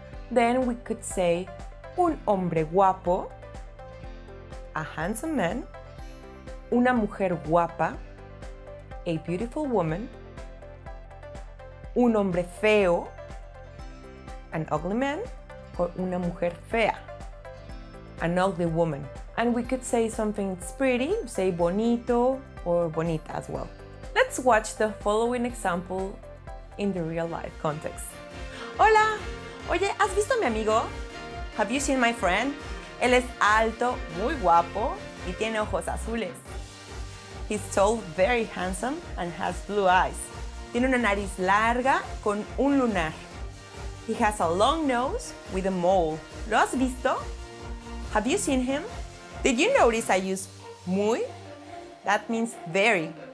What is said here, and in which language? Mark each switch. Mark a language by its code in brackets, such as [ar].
[en] Then we could say [es] un hombre guapo, [en] a handsome man, [es] una mujer guapa, [en] a beautiful woman, [es] un hombre feo, [en] an ugly man, or [es] una mujer fea, [en] an ugly woman. And we could say something that's pretty, say bonito or bonita as well. Let's watch the following example in the real life context. [es] Hola! Oye, ¿has visto a mi amigo? [en] Have you seen my friend? [es] Él es alto, muy guapo, y tiene ojos azules. [en] He's tall, very handsome, and has blue eyes. [es] Tiene una nariz larga con un lunar. [en] He has a long nose with a mole. [es] ¿Lo has visto? [en] Have you seen him? Did you notice I use muy? That means very.